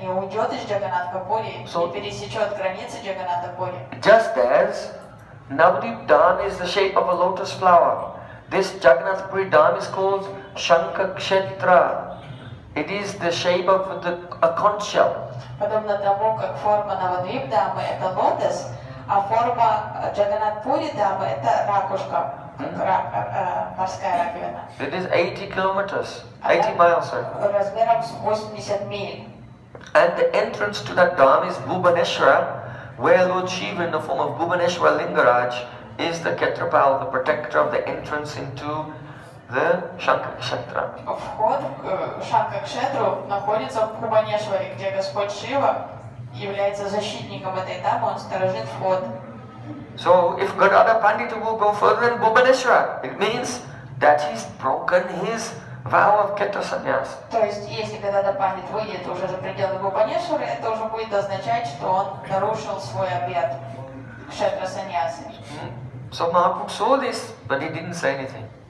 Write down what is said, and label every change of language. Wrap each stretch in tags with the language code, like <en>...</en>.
<en>just as Navadvip Dham is the shape of a lotus flower, this Jagannath Puri Dham is called Shankakshetra. It is the shape of a conch shell.</en> <ru>Подобно тому, как форма Навадвип Дхамы – это лотос, а форма Джаганнатхапури Дхамы – это ракушка, морская раковина.</ru> <en>It is 80 kilometers, 80 miles, sir.</en> <ru>Размером с 80 миль.</ru> <en>And the entrance to that dham is Bhubaneshwara, where Lord Shiva in the form of Bhubaneshwara Lingaraj is the Ketrapal, the protector of the entrance into the Shankakshetra.</en> <ru>Вход к Шанкакшетру находится в Бхубанешваре, где Господь Шива является защитником этой дамы, он сторожит вход.</ru> <en>So if Gadadhar Pandit will go further in Bhubaneshwara, it means that he's broken his vow of Ketra Sannyas.</en> <ru>То есть если Gadadhar Pandit выйдет уже за пределы Бхубанешвара, это уже будет означать, что он нарушил свой обет Кшетра Саньяса.</ru> <en>So Mahaprabhu saw this, but he didn't say anything.</en>